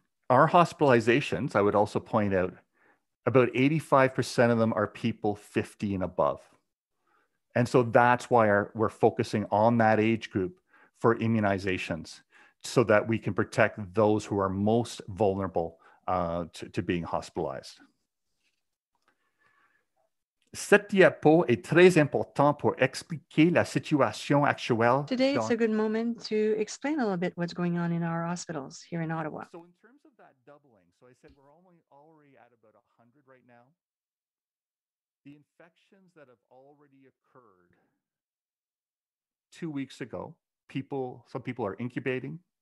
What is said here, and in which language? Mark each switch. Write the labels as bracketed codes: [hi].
[en] Our hospitalizations, I would also point out, about 85% of them are people 50 and above. And so that's why we're focusing on that age group for immunizations, so that we can protect those who are most vulnerable to being hospitalized. [fr] Cette diapo est très important pour expliquer la situation actuelle. [en] Today, it's a good moment to explain a little bit what's going on in our hospitals here in Ottawa. So in terms of that doubling, so I said we're already at about 100 right now. The infections that have already occurred 2 weeks ago, some people are incubating.